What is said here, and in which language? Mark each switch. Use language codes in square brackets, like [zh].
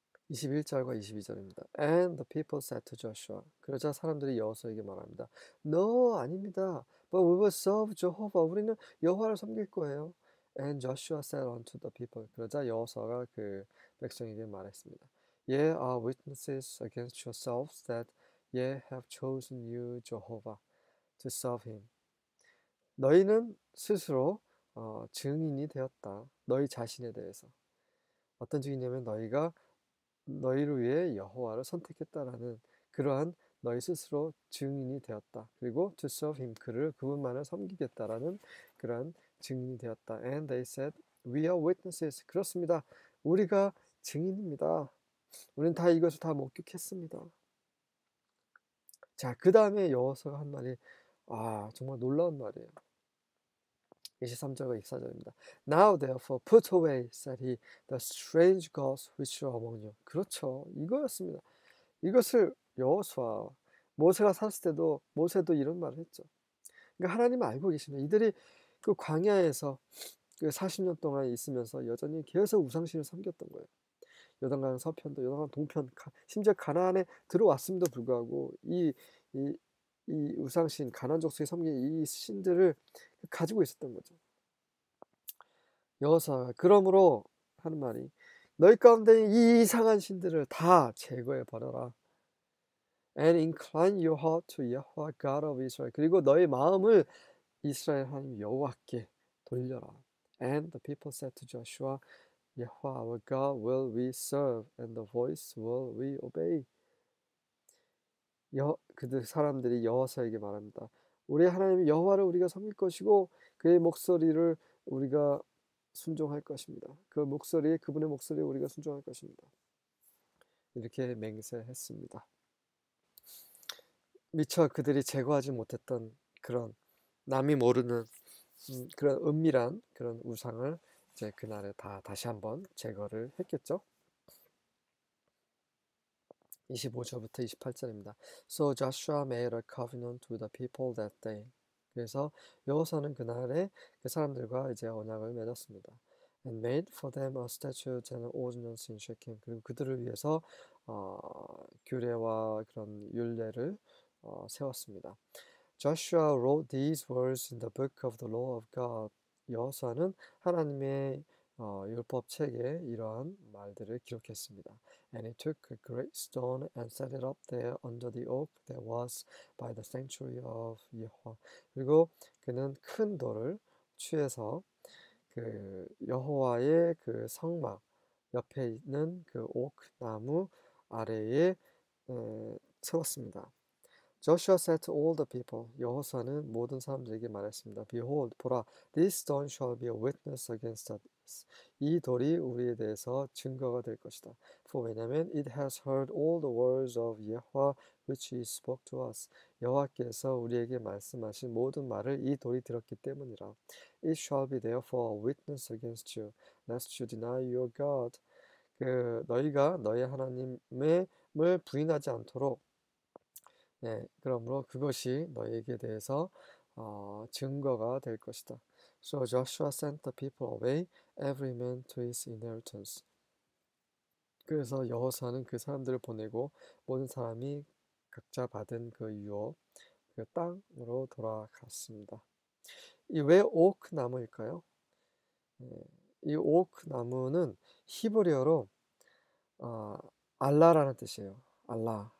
[ko] 21절과 22절입니다. [en] And the people said to Joshua. [ko] 그러자 사람들이 여호수아에게 말합니다. [en] No, [ko] 아닙니다. [en] But we will serve Jehovah. [ko] 우리는 여호와를 섬길 거예요. [en] And Joshua said unto the people. [ko] 그러자 여호수아가 그 백성에게 말했습니다. [en] Ye are witnesses against yourselves that ye have chosen you, Jehovah, to serve him. [ko] 너희는 스스로 증인이 되었다. 너희 자신에 대해서. 어떤 증인이냐면 너희가 너희를 위해 여호와를 선택했다라는 그러한 너희 스스로 증인이 되었다. 그리고 [en] to serve him, [ko] 그를 그분만을 섬기겠다라는 그러한 증인이 되었다. [en] And they said, We are witnesses. [ko] 그렇습니다. 우리가 증인입니다. 우리는 다 이것을 다 목격했습니다. 자, 그 다음에 여호수아가 한 말이 아, 정말 놀라운 말이에요. 23절과 24절입니다. [en] Now therefore put away, said he, the strange gods which are among you. [ko] 그렇죠. 이거였습니다. 이것을 여호수아 모세가 살았을 때도 모세도 이런 말을 했죠. 그러니까 하나님 알고 계십니다. 이들이 그 광야에서 그 40년 동안 있으면서 여전히 계속 우상신을 섬겼던 거예요. 요단강 서편도 요단강 동편 심지어 가나안에 들어왔음에도 불구하고 이 우상신 가나안족속에 섬긴 이 신들을 가지고 있었던 거죠. 여호수아가 그러므로 하는 말이 너희 가운데 이 이상한 신들을 다 제거해 버려라. [en] And incline your heart to Yahweh God of Israel. [ko] 그리고 너희 마음을 이스라엘 하나님 여호와께 돌려라. [en] And the people said to Joshua, Yahweh our God will we serve, and the voice will we obey. [ko] 그들 사람들이 여호수아에게 말합니다. 우리 하나님 여호와를 우리가 섬길 것이고 그의 목소리를 우리가 순종할 것입니다. 그 목소리에 그분의 목소리에 우리가 순종할 것입니다. 이렇게 맹세했습니다. 미처 그들이 제거하지 못했던 그런 남이 모르는 그런 은밀한 그런 우상을 이제 그날에 다 다시 한번 제거를 했겠죠. 25절부터 28절입니다. [en] So Joshua made a covenant with the people that day. [ko] 그래서 여호수아는 그날에 그 사람들과 이제 언약을 맺었습니다. [en] And made for them a statute and an ordinance in Shechem. [ko] 그리고 그들을 위해서 규례와 그런 율례를 세웠습니다. [en] Joshua wrote these words in the book of the law of God. [ko] 여호수아는 하나님의 율법 책에 이러한 말들을 기록했습니다. [en] And he took a great stone and set it up there under the oak that was by the sanctuary of Yehovah. [ko] 그리고 그는 큰 돌을 취해서 그 여호와의 그 성막 옆에 있는 그 옥나무 아래에 세웠습니다. [en] Joshua said to all the people, [ko] 여호수아는 모든 사람들에게 말했습니다. [en] Behold, 보라, this stone shall be a witness against us. [ko] 이 돌이 우리에 대해서 증거가 될 것이다. [en] For 왜냐하면 it has heard all the words of Yahweh which he spoke to us. [ko] 여호와께서 우리에게 말씀하신 모든 말을 이 돌이 들었기 때문이라. [en] It shall be therefore a witness against you, lest you deny your God. [ko] 그 너희가 너희 하나님을 부인하지 않도록 네, 그러므로 그것이 너에게 대해서 증거가 될 것이다. [en] So Joshua sent the people away, every man to his inheritance. [ko] 그래서 여호수아는 그 사람들을 보내고 모든 사람이 각자 받은 그 유업, 그 땅으로 돌아갔습니다. 이왜 오크 나무일까요? 이 오크 나무는 히브리어로 알라라는 뜻이에요. 알라.